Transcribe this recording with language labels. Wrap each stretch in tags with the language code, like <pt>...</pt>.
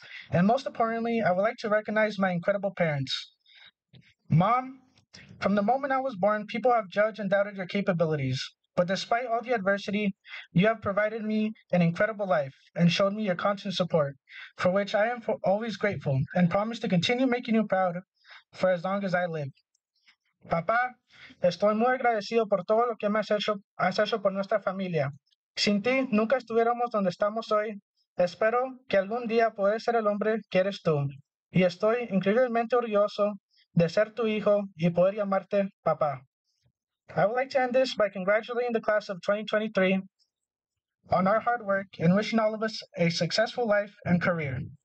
<en>And most importantly, I would like to recognize my incredible parents. Mom, from the moment I was born, people have judged and doubted your capabilities, but despite all the adversity, you have provided me an incredible life and showed me your constant support, for which I am always grateful and promise to continue making you proud for as long as I live.</en> <es>Papá, estoy muy agradecido por todo lo que me has hecho por nuestra familia. Sin ti, nunca estuviéramos donde estamos hoy. Espero que algún día podré ser el hombre que eres tú. Y estoy increíblemente orgulloso de ser tu hijo y poder llamarte papá.</es> <en>I would like to end this by congratulating the class of 2023 on our hard work and wishing all of us a successful life and career.</en>